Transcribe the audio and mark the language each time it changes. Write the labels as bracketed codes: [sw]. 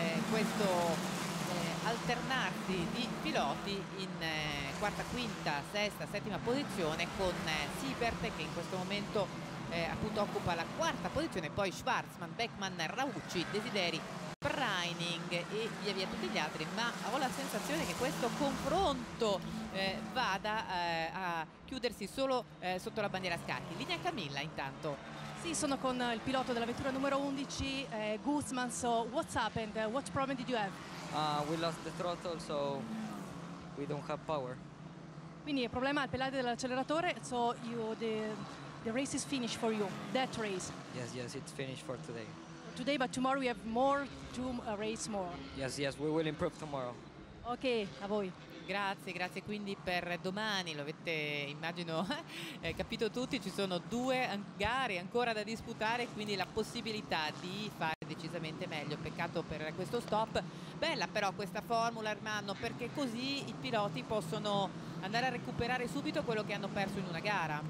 [it] questo alternarsi di piloti in quarta, quinta, sesta, settima posizione, con Siebert che in questo momento appunto occupa la quarta posizione, poi Schwarzman, Beckmann, Raucci, Desideri, Reining e via via tutti gli altri. Ma ho la sensazione che questo confronto vada a chiudersi solo sotto la bandiera scacchi. Linea Camilla intanto. Sì, sono con il pilota della vettura numero 11, Guzman. [en] So what's happened? What problem did you have? We lost the throttle, so we don't have power. [it] Quindi il problema è il pedale dell'acceleratore, [en] so the race is finished for you, that race. Yes, it's finished for today. Today, but tomorrow we have more to race more. Yes, we will improve tomorrow. [it] Ok, a voi. Grazie quindi per domani, lo avete, immagino, capito tutti, ci sono due gare ancora da disputare, quindi la possibilità di fare decisamente meglio. Peccato per questo stop. Bella però questa formula, Armando, perché così i piloti possono andare a recuperare subito quello che hanno perso in una gara.